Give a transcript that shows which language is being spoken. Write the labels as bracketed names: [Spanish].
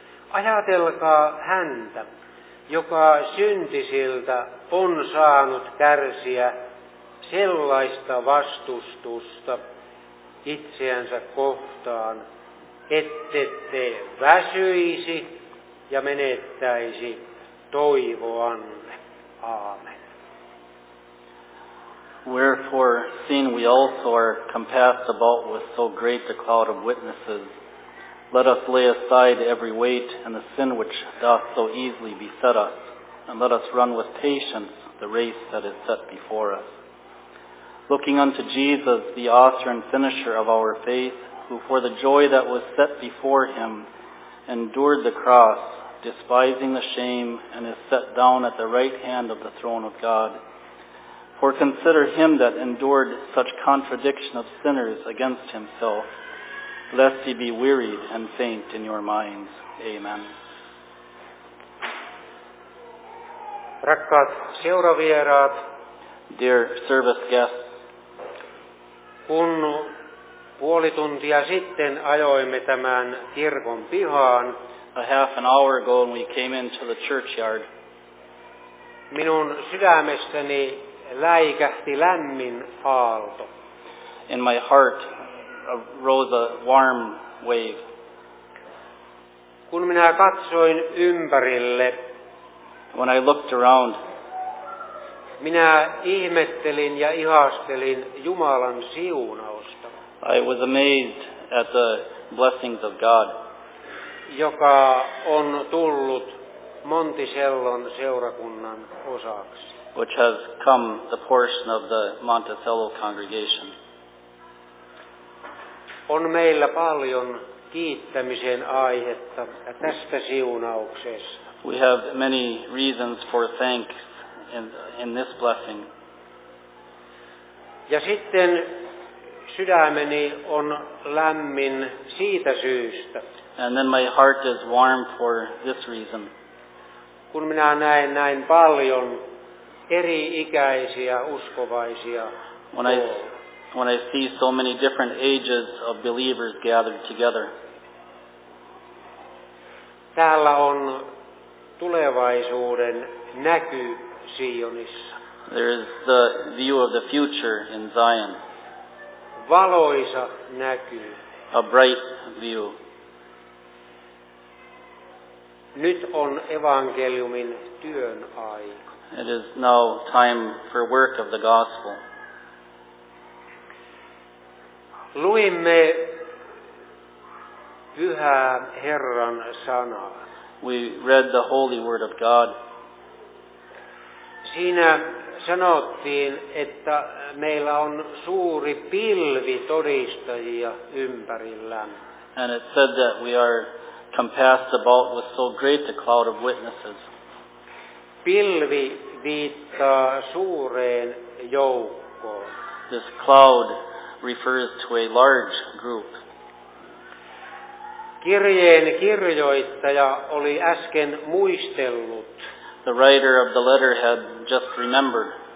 [Finnish] Ajatelkaa häntä, joka syntisiltä on saanut kärsiä sellaista vastustusta itseänsä kohtaan, ettette väsyisi ja menettäisi toivoanne. Aamen. [English] Wherefore, seeing we also are compassed about with so great a cloud of witnesses, let us lay aside every weight and the sin which doth so easily beset us, and let us run with patience the race that is set before us. Looking unto Jesus, the author and finisher of our faith, who for the joy that was set before him endured the cross, despising the shame, and is set down at the right hand of the throne of God. For consider him that endured such contradiction of sinners against himself, lest he be wearied and faint in your minds. Amen. [Finnish] Rakkaat seuravieraat, [English] dear service guests, [Finnish] kun puoli tuntia sitten ajoimme tämän kirkon pihaan, [English] a half an hour ago when we came into the churchyard, [Finnish] minun sydämestäni läikähti lämmin aalto. [English] In my heart rose a warm wave. [Finnish] Kun minä katsoin ympärille, [English] when I looked around, [Finnish] minä ihmettelin ja ihastelin Jumalan siunausta. [English] I was amazed at the blessings of God, [Finnish] joka on tullut Monticellon seurakunnan osaksi, [English] which has come the portion of the Monticello congregation. [Finnish] On meillä paljon kiittämisen aihetta tästä siunauksesta. [English] We have many reasons for thanks in this blessing. [Finnish] Ja sitten sydämeni on lämmin siitä syystä. [English] And then my heart is warm for this reason. [Finnish] Kun minä näen näin paljon eri-ikäisiä uskovaisia. [English] When I see so many different ages of believers gathered together. [Finnish] Täällä on tulevaisuuden näky Sionissa. [English] There is the view of the future in Zion. [Finnish] Valoisa näky. [English] A bright view. [Finnish] Nyt on evankeliumin työn aika. [English] It is now time for work of the gospel. [Finnish] Luimme pyhää Herran sanaa. [English] We read the holy word of God. [Finnish] Siinä sanottiin, että meillä on suuri pilvi todistajia ympärillämme. [English] And it said that we are compassed about with so great a cloud of witnesses. [Finnish] Pilvi viittaa suureen joukkoon. [English] This cloud refers to a large group. [Finnish] Kirjeen kirjoittaja oli äsken muistellut. [English] The writer of the letter had just remembered.